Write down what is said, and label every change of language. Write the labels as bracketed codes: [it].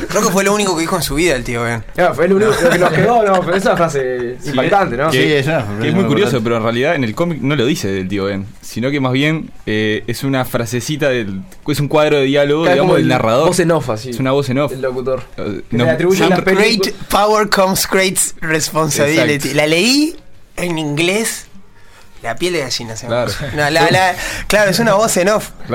[es] Creo que fue lo único que dijo en su vida el tío Ben. Claro, fue lo único que nos quedó, ¿no? Pero es una frase impactante, ¿no? Sí, es una frase. Es muy curioso, pero en realidad en el cómic no lo dice el tío Ben, sino que más bien es una frasecita del. Es un cuadro de diálogo, claro, digamos, del narrador. Voz en off, así. Es una voz en off. El locutor. No. Le atribuye la película. [en] Great power comes great responsibility. [es] Exacto. La leí en inglés. La piel de gallina, se claro. No, claro, es una voz en off.